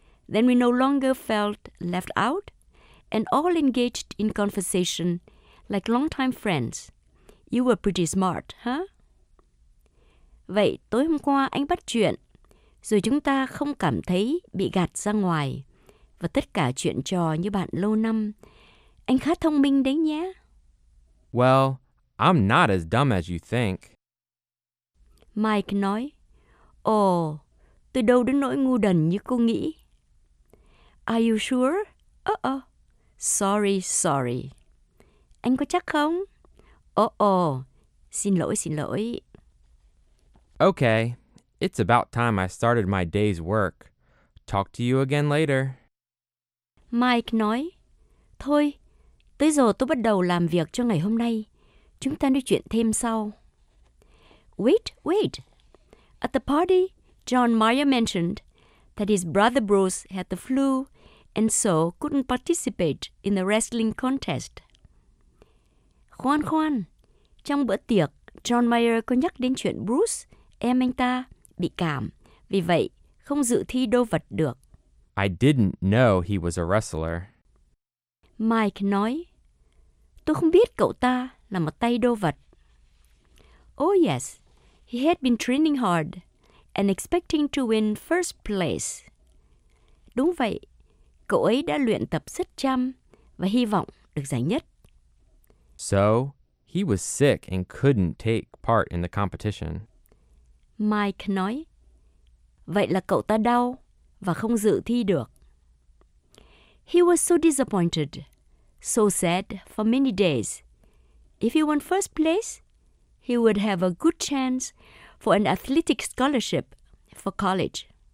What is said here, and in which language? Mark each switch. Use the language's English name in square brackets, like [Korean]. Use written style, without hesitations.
[English] Then we no longer felt left out and all engaged in conversation like longtime friends. You were pretty smart, huh? [Vietnamese] Vậy tối hôm qua anh bắt chuyện, rồi chúng ta không cảm thấy bị gạt ra ngoài và tất cả chuyện trò như bạn lâu năm. Anh khá thông minh đấy nhé. [English] Well, I'm not as dumb as you think. [Vietnamese] Mike nói, Ồ, tôi đâu đến nỗi ngu đần như cô nghĩ. [English] Are you sure? Uh-oh. Sorry. [Vietnamese] Anh có chắc không? Uh-oh. Xin lỗi. [English] Okay, it's about time I started my day's work. Talk to you again later. [Vietnamese] Mike nói, Thôi, tới giờ tôi bắt đầu làm việc cho ngày hôm nay. Chúng ta nói chuyện thêm sau. [English] Wait. At the party, John Mayer mentioned that his brother Bruce had the flu and so couldn't participate in the wrestling contest. [Vietnamese] Khoan, trong bữa tiệc, John Mayer có nhắc đến chuyện Bruce, em anh ta, bị cảm, vì vậy không dự thi đô vật được. [English] I didn't know he was a wrestler. [Vietnamese] Mike nói, tôi không biết cậu ta là một tay đô vật. [English] Oh yes, he had been training hard and expecting to win first place. [Vietnamese] Đúng vậy. Cậu ấy đã luyện tập rất chăm và hy vọng được giải nhất. [English] So, he was sick and couldn't take part in the competition. [Vietnamese] Mike nói, vậy là cậu ta đau và không dự thi được. [English] He was so disappointed, so sad for many days. If he won first place, he would have a good chance for an athletic scholarship for college.